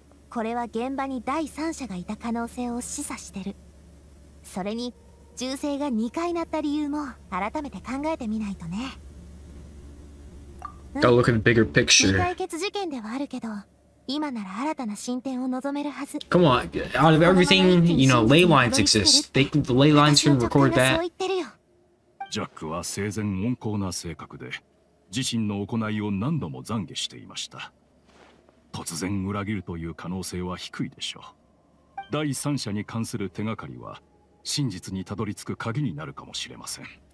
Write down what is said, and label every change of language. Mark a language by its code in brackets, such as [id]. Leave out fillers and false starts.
[ja] これは現場に第三者がいた可能性を示唆してる。それに銃声が2回鳴った理由も改めて考えてみないとね。 [en] Gotta look at the bigger picture. [ja] 未解決事件ではあるけど、今なら新たな進展を望めるはず。 [en] Come on, out of everything, you know, ley lines exist. The ley lines can record that. [ja] ジャックは生前温厚な性格で、自身の行いを何度も懺悔していました。突然裏切るという可能性は低いでしょう。第三者に関する手がかりは、真実にたどり着く鍵になるかもしれません。